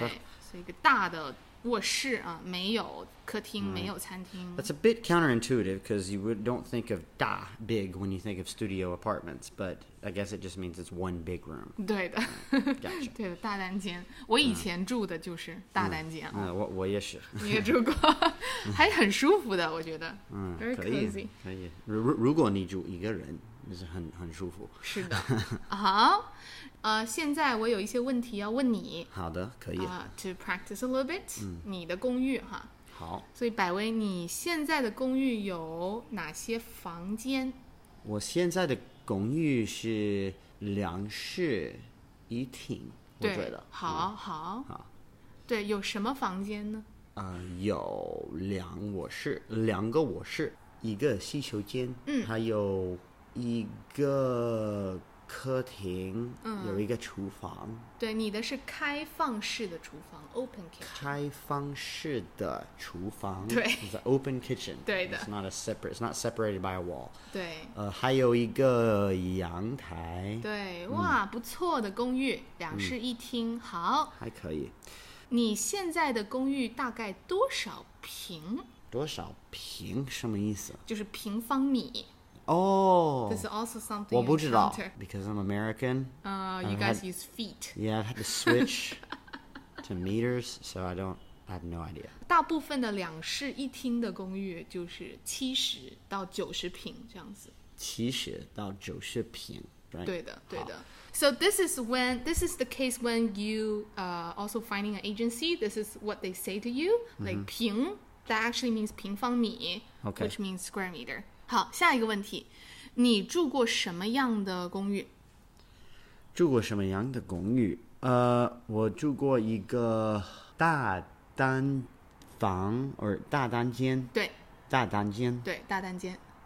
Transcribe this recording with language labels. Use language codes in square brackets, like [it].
[zh] 对，是一个大的卧室啊，没有客厅，没有餐厅。 [en] That's a bit counterintuitive because you don't think of 大 big when you think of studio apartments, but I guess it just means it's one big room. [zh] 对的、 [en] gotcha. [zh] 对的，大单间。我以前住的就是大单间。我也是。你也住过，还很舒服的，我觉得。 [en] Very cozy. [zh] 可以。如果你住一个人，就是很舒服。是的。好。现在我有一些问题要问你。好的，可以。 [en] To practice a little bit,、 [zh] 你的公寓哈。好。所以百威，你现在的公寓有哪些房间？我现在的公寓是两室一厅，我觉得。好。对，有什么房间呢？有两卧室，两个卧室，一个洗手间，还有一个。客厅、有一个厨房，对，你的是开放式的厨房 ，open kitchen。开放式的厨房，对 [en] ，it's an open kitchen。 [zh] 对的 [en] ，it's not a separate, it's not separated by a wall。 [zh] 对，还有一个阳台。对，哇，不错的公寓，两室一厅，好，还可以。你现在的公寓大概多少平？多少平什么意思？就是平方米。 [en] Oh, this is also something [zh] 我不知道 [en] because I'm American. You guys use feet. Yeah, I had to switch to meters, so I have no idea. [zh] 大部分的两室一厅的公寓就是70到90平这样子。 70到90平、 [en] right? [zh] 对的，对的。 [en] So this is the case when you also finding an agency. This is what they say to you, like 平、that actually means 平方米、 okay. which means square meter. [zh] 好，下一个问题，你住过什么样的公寓？住过什么样的公寓？我住过一个大单房，或大单间。对。大单间。对，大单间。